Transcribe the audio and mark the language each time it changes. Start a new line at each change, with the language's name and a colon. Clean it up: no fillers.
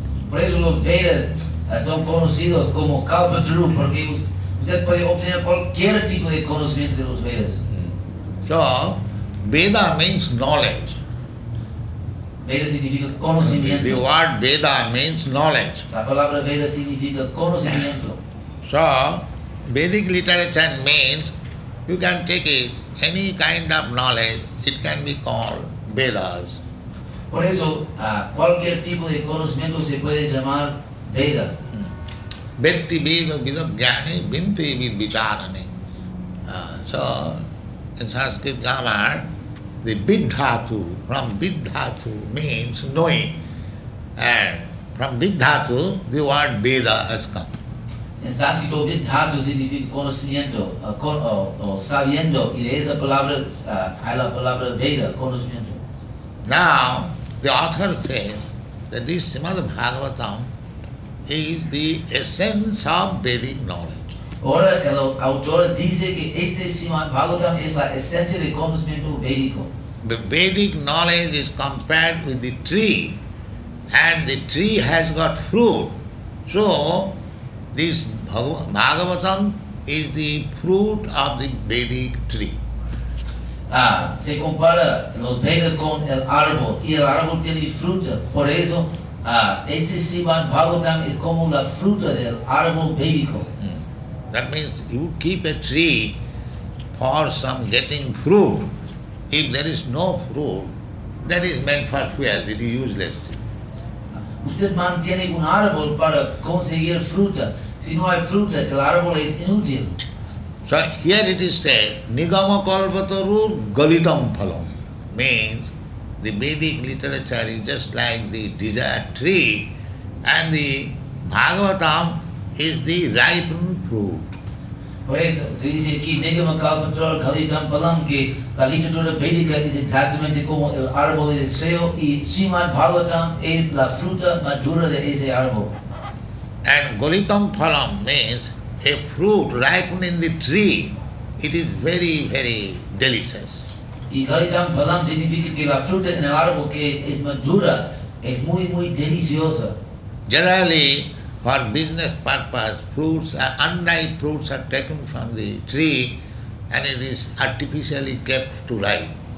Spanish: Por eso los Vedas son conocidos como Kalpataru, porque usted puede obtener cualquier tipo de conocimiento de los Vedas.
English: So, Veda means knowledge.
Spanish: Veda significa conocimiento.
English: The word Veda means knowledge.
Spanish: La palabra Veda significa conocimiento.
English: So, Vedic literature means you can take it, any kind of knowledge, it can be called Vedas.
Spanish: Por eso, cualquier tipo de conocimiento se puede llamar Veda.
Sanskrit: Vetti Veda Vidagyani Vinti Vid Vicharani.
English: So, in Sanskrit grammar, the Vidhatu, from Vidhatu means knowing. And from Vidhatu, the word Veda has come.
Spanish: En Sanskrit, Vidhatu significa conocimiento, sabiendo. Y de esa palabra hay la palabra Veda, conocimiento.
English: Now, the author says that this Srimad Bhagavatam is the essence of Vedic knowledge.
Spanish: Ahora el autor dice que este Srimad Bhagavatam es la esencia de conocimiento védico.
English: The Vedic knowledge is compared with the tree, and the tree has got fruit. So, this Bhagavatam is the fruit of the Vedic tree.
Spanish: Se compara los Vedas con el árbol y el árbol tiene fruta. Por eso, este Srimad Bhagavatam es como la fruta del árbol védico.
English: That means you keep a tree for some getting fruit. If there is no fruit, that is meant for fuel, it is useless tree.
Spanish: Usted mantiene un árbol para conseguir fruta. Si no hay fruta, el árbol es inútil.
English: So here it is said, Nigama Kalpataru Galitam Phalam, means the Vedic literature is just like the desired tree, and the Bhagavatam is the ripened fruit.
Spanish: Por eso se dice aquí, Nigama Kalpataru Galitam Phalam, que la literatura védica es exactamente como el árbol de deseo, y Srimad Bhagavatam es la fruta madura de ese árbol.
English: And Galitam Phalam means a fruit ripened in the tree it is very, very delicious.
Spanish: Y Kaitam Phalam significa que la fruta en el árbol que es madura es muy, muy deliciosa.
English: Generally, for business purpose, fruits, unripe fruits are taken from the tree and it is artificially kept to ripe.